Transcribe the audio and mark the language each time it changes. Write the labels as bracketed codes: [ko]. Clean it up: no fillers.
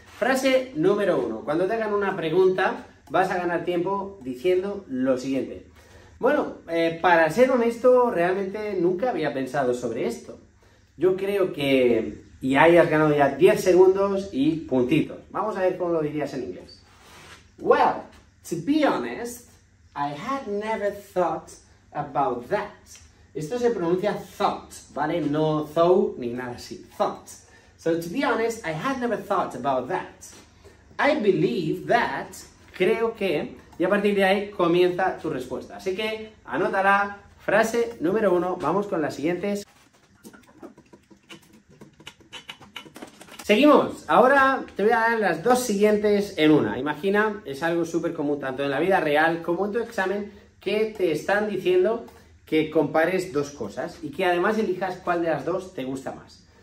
[es] Frase número uno. Cuando te hagan una pregunta, vas a ganar tiempo diciendo lo siguiente. Bueno, para ser honesto, realmente nunca había pensado sobre esto. Yo creo que... Y ahí has ganado ya 10 segundos y puntitos. Vamos a ver cómo lo dirías en inglés. [en] Well, to be honest, I had never thought about that. [es] Esto se pronuncia thought, ¿vale? No thought ni nada así. Thought. [en] So, to be honest, I had never thought about that. I believe that. [es] Creo que. Y a partir de ahí comienza tu respuesta. Así que anótala. Frase número uno. Vamos con las siguientes. Seguimos, ahora te voy a dar las dos siguientes en una. Imagina, es algo súper común tanto en la vida real como en tu examen, que te están diciendo que compares dos cosas y que además elijas cuál de las dos te gusta más.